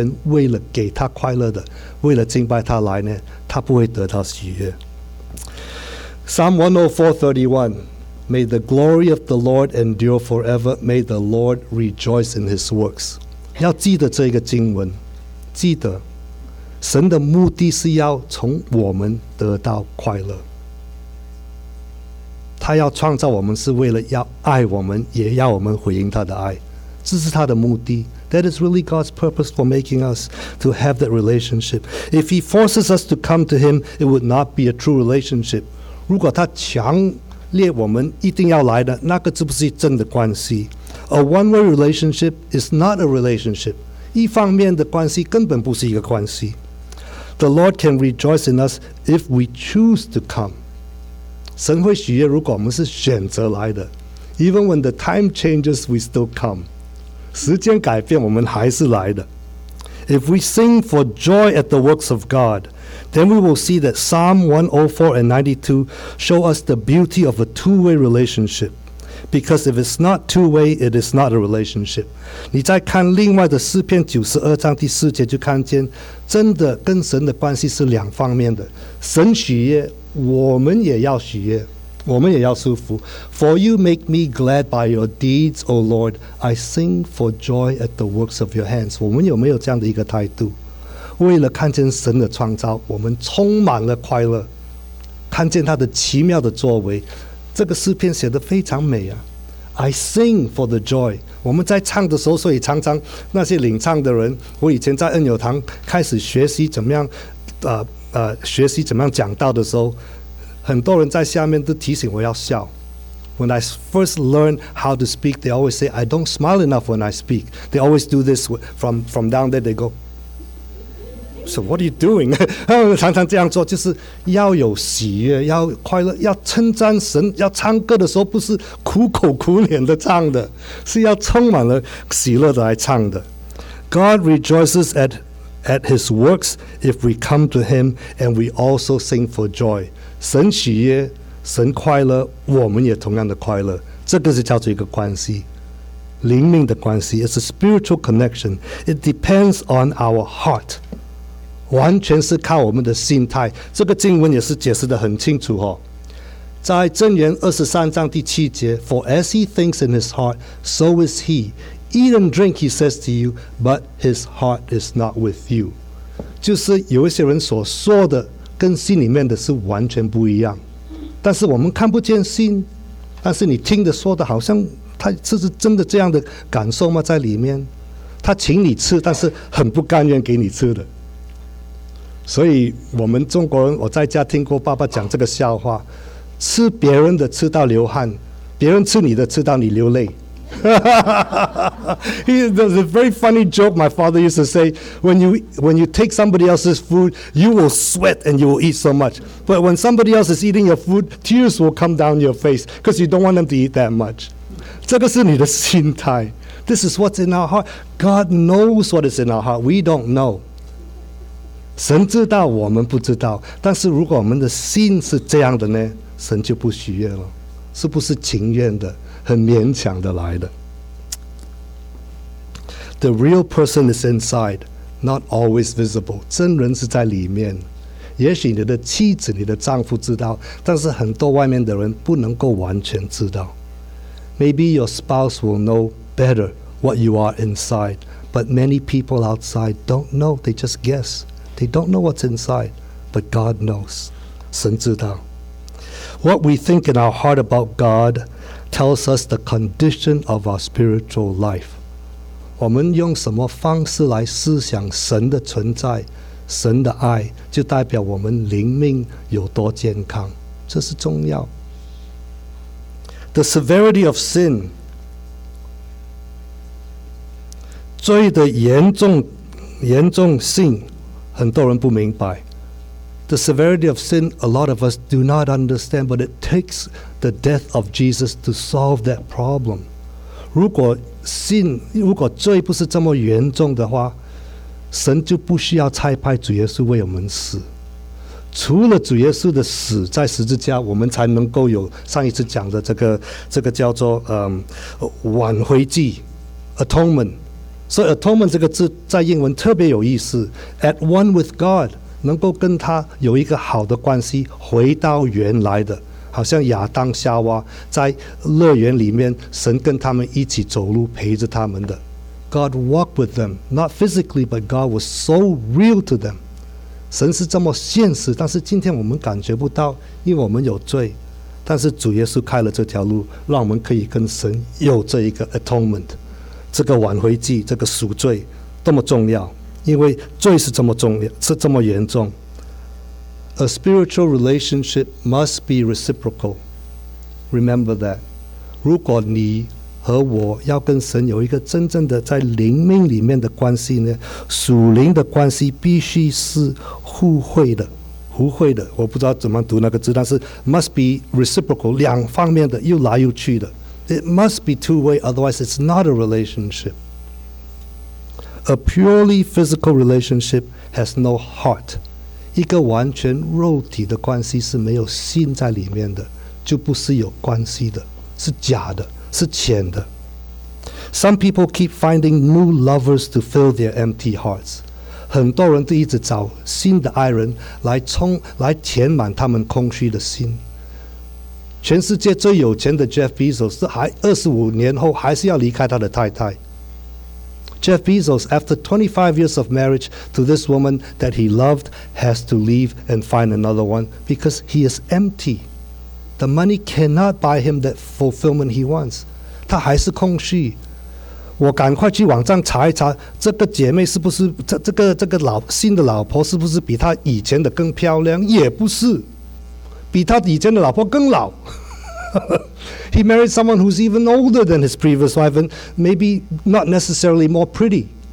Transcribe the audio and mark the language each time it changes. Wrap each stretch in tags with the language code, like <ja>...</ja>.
<zh>但是如果不是完全为了给他快乐的, 为了敬拜他来呢, 他不会得到喜悦。</zh> <en>Psalm 104:31, May the glory of the Lord endure forever. May the Lord rejoice in his works.</en> <zh>要记得这个经文, 记得, 神的目的是要从我们得到快乐。他要创造我们是为了要爱我们, 也要我们回应他的爱。这是他的目的。</zh> <en>That is really God's purpose for making us to have that relationship. If he forces us to come to him, it would not be a true relationship.</en> <zh>如果他强烈我们一定要来的, 那个是不是真的关系?</zh> <en>A one-way relationship is not a relationship.</en> <zh>一方面的关系根本不是一个关系。</zh> <en>The Lord can rejoice in us if we choose to come.</en> <zh>神会喜悦如果我们是选择来的。</zh> <en>Even when the time changes, we still come.</en> <zh>时间改变我们还是来的。</zh> <en>If we sing for joy at the works of God, then we will see that Psalm 104 and 92 show us the beauty of a two-way relationship. Because if it's not two-way, it is not a relationship.</en> <zh>你再看另外的诗篇92章第4节就看见真的跟神的关系是两方面的。神喜悦,我们也要喜悦。我们也要舒服。</zh> <en>For you make me glad by your deeds, O Lord. I sing for joy at the works of your hands.</en> <zh>我们有没有这样的一个态度？为了看见神的创造，我们充满了快乐，看见他的奇妙的作为。这个诗篇写得非常美啊。</zh> <en>I sing for the joy.</en> <zh>我们在唱的时候，所以常常那些领唱的人，我以前在恩友堂开始学习怎么样，学习怎么样讲道的时候，很多人在下面都提醒我要笑。</zh> <en>When I first learned how to speak, they always say I don't smile enough when I speak. They always do this from down there. They go, So what are you doing?</en> <zh>常常这样做，就是要有喜悦，要快乐，要称赞神，要唱歌的时候不是苦口苦脸的唱的，是要充满了喜乐的来唱的。</zh> <en>God rejoices at His works if we come to Him and we also sing for joy.</en> <zh>神喜悦，神快乐，我们也同样的快乐。这个是叫做一个关系，灵命的关系。</zh> <en>It's a spiritual connection. It depends on our heart.</en> <zh>完全是靠我们的心态。这个经文也是解释得很清楚、哦、在箴言23:7</zh> <en>For as he thinks in his heart, so is he. Eat and drink, he says to you, but his heart is not with you.</en> <zh>就是有一些人所说的跟心里面的是完全不一样，但是我们看不见心，但是你听的说的好像他这是真的这样的感受吗？在里面他请你吃，但是很不甘愿给你吃的。所以我们中国人，我在家听过爸爸讲这个笑话，吃别人的吃到流汗，别人吃你的吃到你流泪。</zh> <en>There's a very funny joke my father used to say, when you take somebody else's food, you will sweat and you will eat so much. But when somebody else is eating your food, tears will come down your face because you don't want them to eat that much.</en> <zh>这个是你的心态。</zh> <en>This is what's in our heart. God knows what is in our heart. We don't know.</en> <zh>神知道我们不知道，但是如果我们的心是这样的呢，神就不喜悦了，是不是情愿的？很勉强的来的。</zh> <en>The real person is inside, not always visible.</en> <zh>真人是在里面。也许你的妻子、你的丈夫知道，但是很多外面的人不能够完全知道。</zh> <en>Maybe your spouse will know better what you are inside, but many people outside don't know. They just guess. They don't know what's inside, but God knows.</en> <zh>神知道。</zh> <en>What we think in our heart about God. Tells us the condition of our spiritual life.</en> <zh>我们用什么方式来思想神的存在，神的爱，就代表我们灵命有多健康，这是重要。</zh> <en>The severity of sin.</en> <zh>罪的严重性，很多人不明白。</zh> <en>The severity of sin, a lot of us do not understand, but it takes the death of Jesus to solve that problem.</en> <zh>如果罪不是这么严重的话，神就不需要差派主耶稣为我们死。除了主耶稣的死在十字架，我们才能够有上一次讲的这个叫做挽回祭 ，atonement。所以 atonement 这个字在英文特别有意思 ，</zh> <en>at one with God。</en> <zh>能够跟他有一个好的关系，回到原来的，好像亚当夏娃在乐园里面，神跟他们一起走路，陪着他们的。 God walked with them, not physically, but God was so real to them. 神是这么现实，但是今天我们感觉不到，因为我们有罪。但是主耶稣开了这条路，让我们可以跟神有这一个 atonement, 这个挽回祭，这个赎罪，多么重要。因为罪是这么重要，是这么严重。</zh> <en>A spiritual relationship must be reciprocal. Remember that.</en> <zh>如果你和我要跟神有一个真正的在灵命里面的关系呢，属灵的关系必须是互惠的，互惠的。我不知道怎么读那个字，但是</zh> <en>must be reciprocal,</en> <zh>两方面的，又来又去的。</zh> <en>It must be two-way, otherwise it's not a relationship. A purely physical relationship has no heart.</en> <zh>一个完全肉体的关系是没有心在里面的，就不是有关系的，是假的，是浅的。</zh> <en>Some people keep finding new lovers to fill their empty hearts.</en> <zh>很多人都一直找新的爱人来填满他们空虚的心。全世界最有钱的 Jeff Bezos 还25年后还是要离开他的太太。</zh> <en>Jeff Bezos, after 25 years of marriage to this woman that he loved, has to leave and find another one because he is empty. The money cannot buy him that fulfillment he wants.</en> <zh>他还是空虚。我赶快去网上查一查，这个姐妹是不是这个老新的老婆是不是比他以前的更漂亮？也不是，比他以前的老婆更老。</zh> <en>He married someone who's even older than his previous wife and maybe not necessarily more pretty.</en>